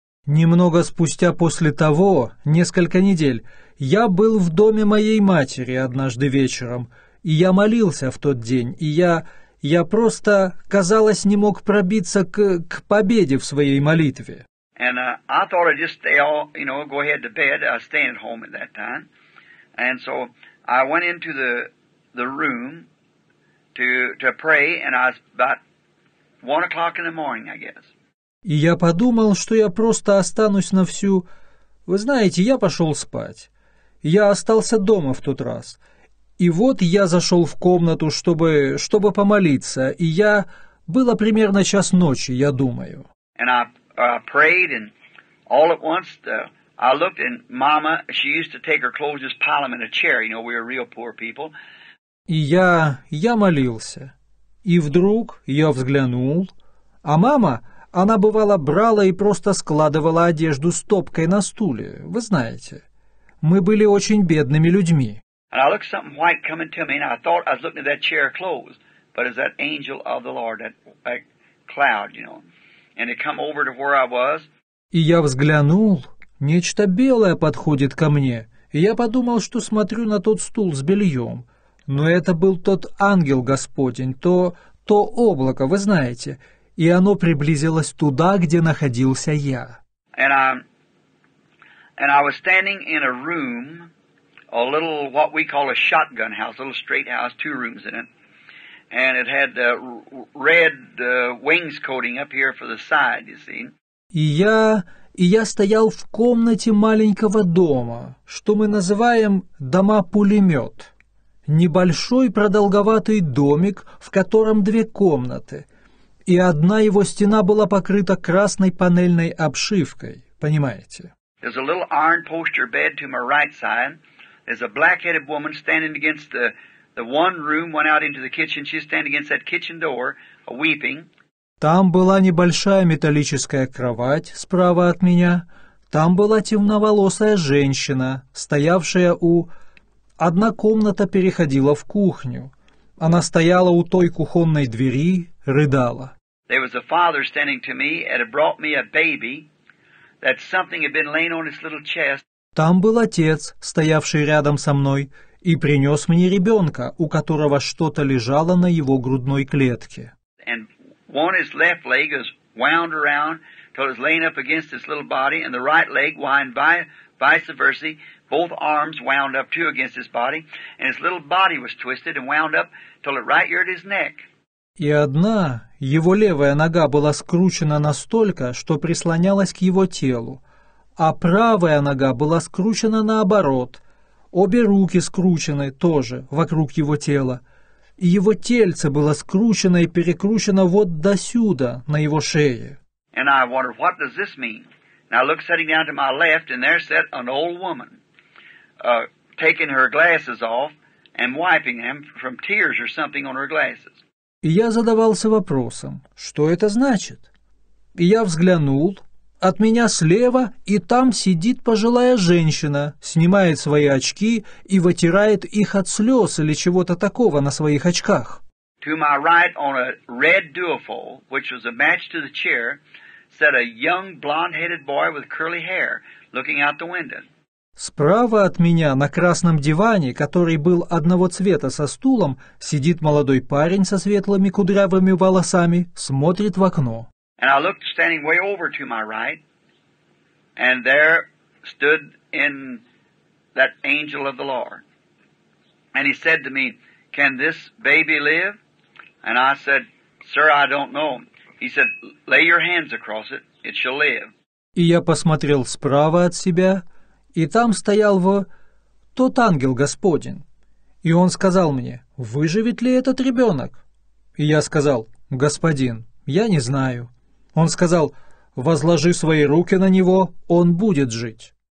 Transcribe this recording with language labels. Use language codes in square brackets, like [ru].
[ru] Немного спустя после того, несколько недель, я был в доме моей матери однажды вечером, и я молился в тот день, и я просто, казалось, не мог пробиться к победе в своей молитве. [en] And I thought I'd just stay all, you know, go ahead to bed. I stayed at home at that time. And so I went into the room to pray, and I was about 1 o'clock in the morning, I guess. [ru] И я подумал, что я просто останусь на всю... Вы знаете, я пошел спать. Я остался дома в тот раз. И вот я зашел в комнату, чтобы помолиться, и я... Было примерно час ночи, я думаю. [en] And I prayed, and all at once I looked, and Mama, she used to take her clothes, just pile them in a chair, you know, we were real poor people. [ru] И я молился. И вдруг я взглянул, а мама, она бывало брала и просто складывала одежду стопкой на стуле, вы знаете. Мы были очень бедными людьми. [en] And I looked at something white coming to me, and I thought I was looking at that chair closed, but it's that angel of the Lord, that cloud, you know, and it come over to where I was. [ru] И я взглянул, нечто белое подходит ко мне, и я подумал, что смотрю на тот стул с бельем. Но это был тот ангел Господень, то облако, вы знаете, и оно приблизилось туда, где находился я. [en] And I was standing in a room, a little what we call a shotgun house, a little straight house, two rooms in it, and it had red wings coating up here for the side, you see. [ru] И я, и я стоял в комнате маленького дома, что мы называем «дома-пулемет». Небольшой продолговатый домик, в котором две комнаты, и одна его стена была покрыта красной панельной обшивкой, понимаете? [en] There's a little iron poster bed to my right side. There's a black-headed woman standing against the one room, went out into the kitchen. She's standing against that kitchen door, weeping. [ru] Там была небольшая металлическая кровать справа от меня. Там была темноволосая женщина, стоявшая у... Одна комната переходила в кухню. Она стояла у той кухонной двери, рыдала. [en] There was a father standing to me and brought me a baby. That something had been laying on his little chest. [ru] Там был отец, стоявший рядом со мной, и принес мне ребенка, у которого что-то лежало на его грудной клетке. [en] And one his left leg was wound around till it was laying up against his little body, and the right leg wound vice versa, both arms wound up too against his body, and his little body was twisted and wound up till it right here at his neck. [ru] И одна, его левая нога была скручена настолько, что прислонялась к его телу, а правая нога была скручена наоборот, обе руки скручены тоже вокруг его тела, и его тельце было скручено и перекручено вот до сюда, на его шее. [en] And I wonder, what does this mean? And I look sitting down to my left, and there sat an old woman, taking her glasses off and wiping them from tears or something on her glasses. [ru] И я задавался вопросом, что это значит? И я взглянул, от меня слева, и там сидит пожилая женщина, снимает свои очки и вытирает их от слез или чего-то такого на своих очках. [en] To my right on a red duofold, which was a match to the chair, sat a young blonde-headed boy with curly hair, looking out the window. [ru] Справа от меня на красном диване, который был одного цвета со стулом, сидит молодой парень со светлыми кудрявыми волосами, смотрит в окно. [en] And I looked standing way over to my right, and there stood in that angel of the Lord. And he said to me, can this baby live? And I said, sir, I don't know. He said, lay your hands across it, it shall live. [ru] И я посмотрел справа от себя, и там стоял тот ангел Господень. И он сказал мне, выживет ли этот ребенок? И я сказал, господин, я не знаю. Он сказал, возложи свои руки на него, он будет жить.